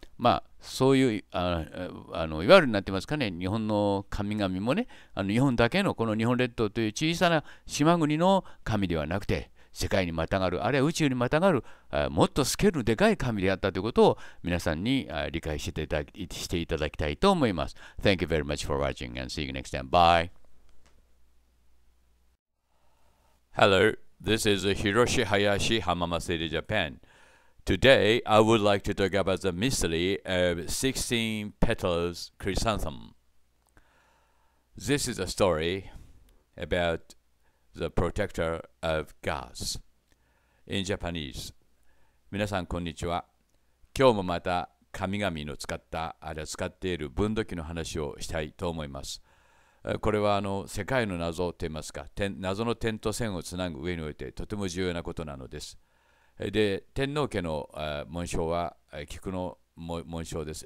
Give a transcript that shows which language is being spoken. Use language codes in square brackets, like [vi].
[ja] まあ、そういう、いわゆるなってますかね、日本の神々もね、日本だけのこの日本列島という小さな島国の神ではなくて、世界にまたがる、あるいは宇宙にまたがる、もっとスケールでかい神であったということを皆さんに理解していただきたいと思います。 [en] Thank you very much for watching and see you next time. Bye. Hello, this is Hiroshi Hayashi, Hamamatsuri, Japan. Today, I would like to talk about the mystery of 16 petals chrysanthemum. This is a story about the protector of gods. In Japanese, [ja] 皆さんこんにちは。今日もまた神々の使っている分度器の話をしたいと思います。これは世界の謎と言いますか、謎の点と線をつなぐ上においてとても重要なことなのです。で天皇家の紋章は菊の紋章です。